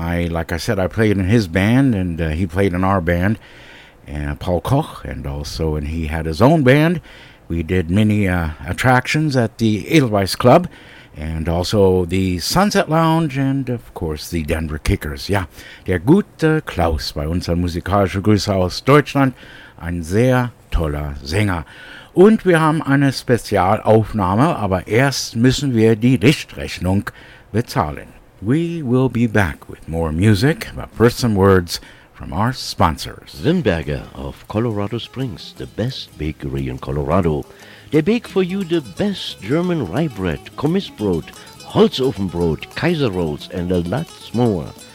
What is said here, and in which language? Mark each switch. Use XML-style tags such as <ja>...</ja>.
<en>Like I said, I played in his band, and he played in our band. And Paul Koch, and also, and he had his own band. We did many attractions at the Edelweiss Club, and also the Sunset Lounge, and of course the Denver Kickers.</en> <de>Ja, der gute Klaus, bei unserem musikalischen Grüße aus Deutschland, ein sehr toller Sänger. Und wir haben eine Spezialaufnahme, aber erst müssen wir die Lichtrechnung bezahlen.</de> <en>We will be back with more music, but first some words from our sponsors. Wimberger of Colorado Springs, the best bakery in Colorado. They bake for you the best German rye bread, Kommissbrot, Holzofenbrot, Kaiser Rolls, and a lot more.</en>